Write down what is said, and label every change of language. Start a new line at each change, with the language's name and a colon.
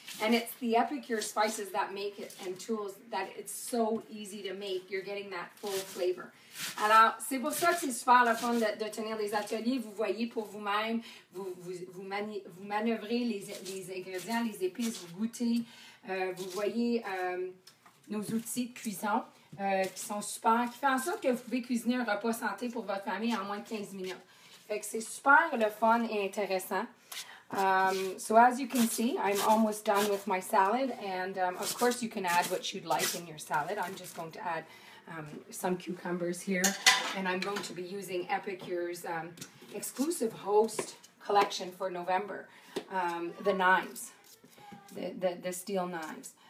English: And it's the Epicure spices that make it, and tools that it's so easy to make. You're getting that full flavor.
French: Alors, c'est pour ça que c'est super le fun de tenir les ateliers. Vous voyez pour vous-même, vous manœuvrez les ingrédients, les épices, vous goûtez. Vous voyez nos outils de cuisson qui sont super, qui font en sorte que vous pouvez cuisiner un repas santé pour votre famille en moins de 15 minutes. Fait que c'est super le fun et intéressant.
English: So as you can see, I'm almost done with my salad, and of course you can add what you'd like in your salad. I'm just going to add some cucumbers here, and I'm going to be using Epicure's exclusive host collection for November, the knives, the steel knives.